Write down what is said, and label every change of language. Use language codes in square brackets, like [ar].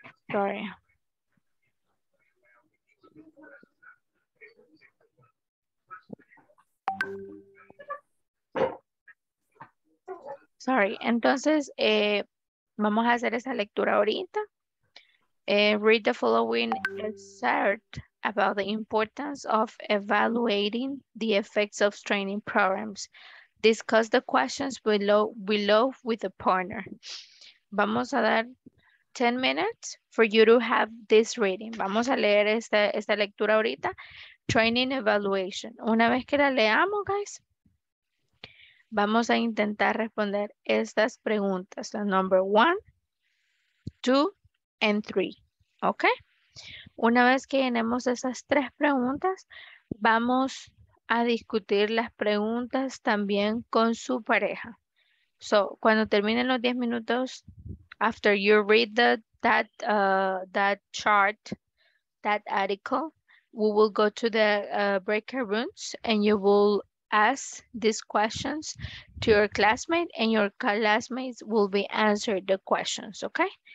[en] Sorry. [es] Sorry, entonces vamos a hacer esa lectura ahorita. [en] Read the following excerpt about the importance of evaluating the effects of training programs. Discuss the questions below with a partner. [es] Vamos a dar [en] 10 minutes for you to have this reading. [es] Vamos a leer esta lectura ahorita. Training evaluation. Una vez que la leamos, guys, vamos a intentar responder estas preguntas. [en] The number 1, 2, and 3. ¿Ok? [es] Una vez que llenemos esas tres preguntas, vamos a discutir las preguntas también con su pareja. [en] So, [es] cuando terminen los 10 minutos, [en] after you read that chart, that article, we will go to the breakout rooms and you will ask these questions to your classmate and your classmates will be answered the questions, okay?